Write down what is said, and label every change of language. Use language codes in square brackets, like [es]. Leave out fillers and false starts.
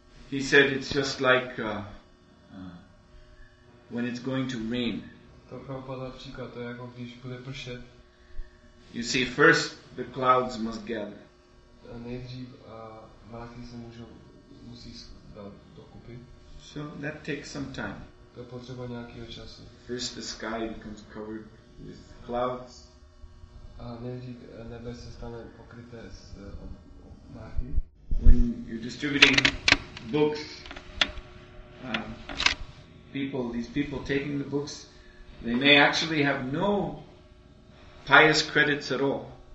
[en] He said it's just like when it's going to rain. [cs] To Prabhupada říká, to je jako když bude pršet. [en] You see, first the clouds must gather. [cs] Nejdřív mraky se musí dát dokupy. [en] So that takes some time. [cs] To je potřeba nějakého času. [en] First the sky becomes covered with clouds. [cs] A nejdřív nebe se stane pokryté s mraky. [en] When you're distributing books, these people taking the books, they may actually have no pious credits at all.